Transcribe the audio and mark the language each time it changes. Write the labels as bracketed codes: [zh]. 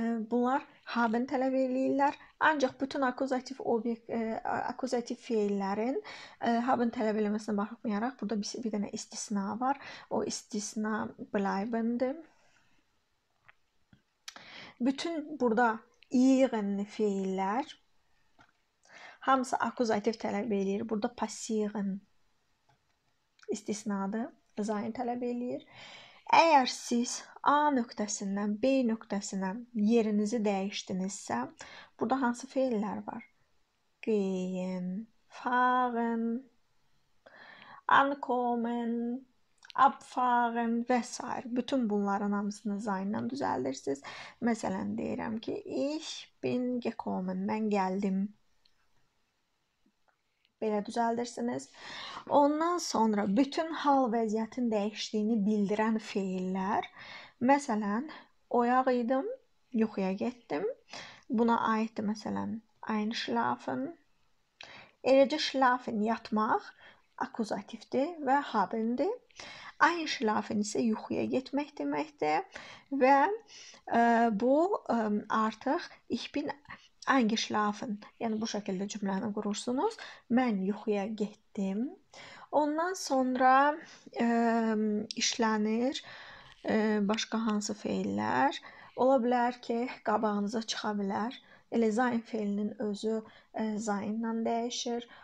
[az] Bunlar haben tələb eləyirlər. Ancaq bütün akuzativ obyekt akuzativ fiillərin haben tələb eləməsinə baxmayaraq burada bir dənə istisna var. O istisna bleibendir. Bütün burada iğənli fiillər hamısı akuzativ tələb eləyir. Burada passiven istisnadır. Zain tələb eləyir. Əgər siz A nöqtəsindən B nöqtəsinə yerinizi dəyişdinizsə, burada hansı fiillər var? [de] Gehen, fahren, ankommen, abfahren və s. [az] Bütün bunların hamısını zainlə düzəldirsiniz. Məsələn, deyirəm ki, [de] ich bin gekommen, [az] mən gəldim. Belə düzəldirsiniz. Ondan sonra bütün hal vəziyyətin dəyişdiyini bildirən fiillər, məsələn, oyaq idim, yuxuya getdim. Buna aiddir, məsələn, einschlafen. Eləcə schlafen, yatmaq, akuzativdir və habendir. Einschlafen isə yuxuya getmək deməkdir. Və bu artıq [de] ich bin eingeschlafen. [az] Yəni, bu şəkildə cümləni qurursunuz. Mən yuxuya getdim. Ondan sonra işlənir başqa hansı feillər. Ola bilər ki, qabağınıza çıxa bilər. Elə zain feilinin özü zainla dəyişir.